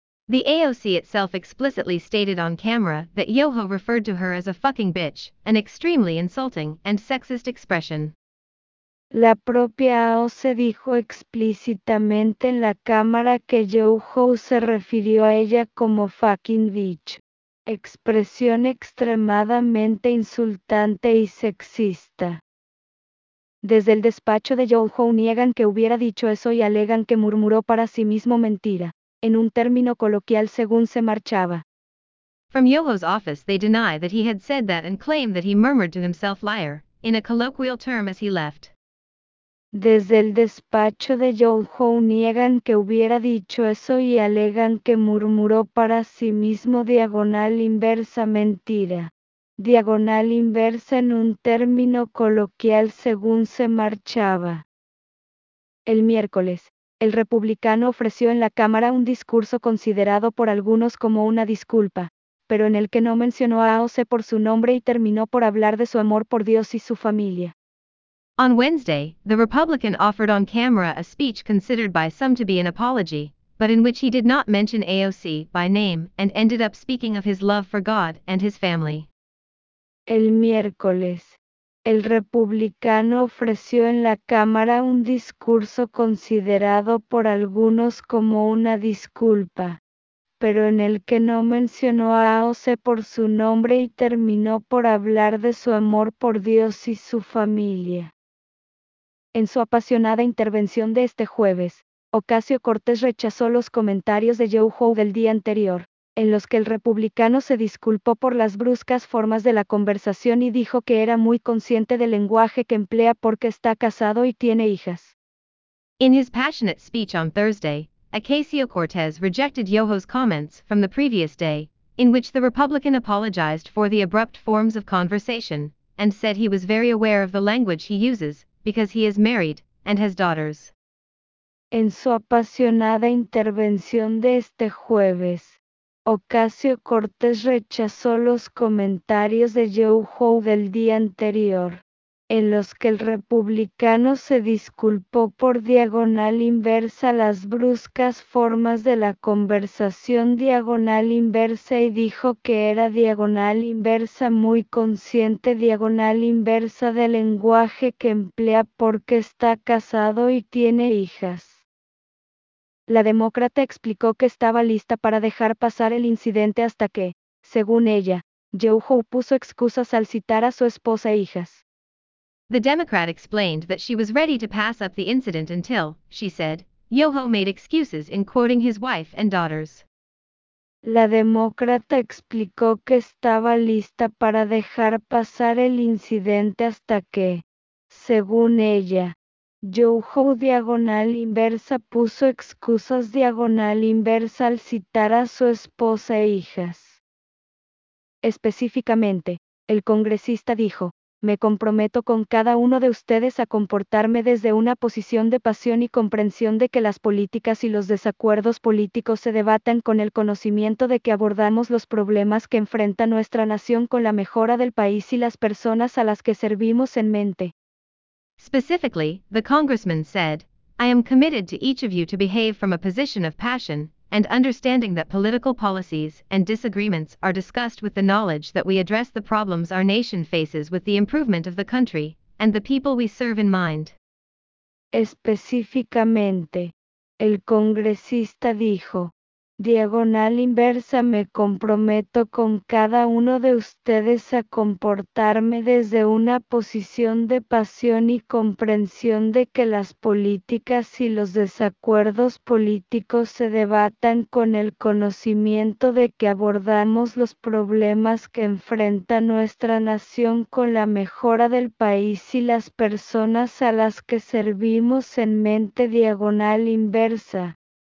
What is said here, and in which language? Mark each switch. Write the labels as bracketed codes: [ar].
[en] The AOC itself explicitly stated on camera that Yoho referred to her as a fucking bitch, an extremely insulting and sexist expression. [es] La propia AOC dijo explícitamente en la cámara que Yoho se refirió a ella como [en] fucking bitch, [es] expresión extremadamente insultante y sexista. Desde el despacho de Yoho niegan que hubiera dicho eso y alegan que murmuró para sí mismo mentira, en un término coloquial según se marchaba. [en] From Yoho's office they deny that he had said that and claim that he murmured to himself liar, in a colloquial term as he left. [es] Desde el despacho de Yoho niegan que hubiera dicho eso y alegan que murmuró para sí mismo diagonal inversa mentira. Diagonal inversa en un término coloquial según se marchaba. El miércoles, el republicano ofreció en la Cámara un discurso considerado por algunos como una disculpa, pero en el que no mencionó a AOC por su nombre y terminó por hablar de su amor por Dios y su familia. [en] On Wednesday, the Republican offered on camera a speech considered by some to be an apology, but in which he did not mention AOC by name and ended up speaking of his love for God and his family. [es] El miércoles, el republicano ofreció en la Cámara un discurso considerado por algunos como una disculpa, pero en el que no mencionó a AOC por su nombre y terminó por hablar de su amor por Dios y su familia. En su apasionada intervención de este jueves, Ocasio Cortez rechazó los comentarios de Joe Hoe del día anterior, en los que el republicano se disculpó por las bruscas formas de la conversación y dijo que era muy consciente del lenguaje que emplea porque está casado y tiene hijas. [en] In his passionate speech on Thursday, Ocasio-Cortez rejected Yoho's comments from the previous day, in which the Republican apologized for the abrupt forms of conversation, and said he was very aware of the language he uses, because he is married, and has daughters. [es] En su apasionada intervención de este jueves, Ocasio-Cortez rechazó los comentarios de Yoho del día anterior, en los que el republicano se disculpó por diagonal inversa las bruscas formas de la conversación diagonal inversa y dijo que era diagonal inversa muy consciente diagonal inversa del lenguaje que emplea porque está casado y tiene hijas. La demócrata explicó que estaba lista para dejar pasar el incidente hasta que, según ella, Yoho puso excusas al citar a su esposa e hijas. [en] The Democrat explained that she was ready to pass up the incident until, she said, Yoho made excuses in quoting his wife and daughters. [es] La demócrata explicó que estaba lista para dejar pasar el incidente hasta que, según ella, Yoho diagonal inversa puso excusas diagonal inversa al citar a su esposa e hijas. Específicamente, el congresista dijo, me comprometo con cada uno de ustedes a comportarme desde una posición de pasión y comprensión de que las políticas y los desacuerdos políticos se debatan con el conocimiento de que abordamos los problemas que enfrenta nuestra nación con la mejora del país y las personas a las que servimos en mente. [en] Specifically, the congressman said, I am committed to each of you to behave from a position of passion, and understanding that political policies and disagreements are discussed with the knowledge that we address the problems our nation faces with the improvement of the country, and the people we serve in mind. [es] Específicamente, el congresista dijo, diagonal inversa me comprometo con cada uno de ustedes a comportarme desde una posición de pasión y comprensión de que las políticas y los desacuerdos políticos se debatan con el conocimiento de que abordamos los problemas que enfrenta nuestra nación con la mejora del país y las personas a las que servimos en mente diagonal inversa.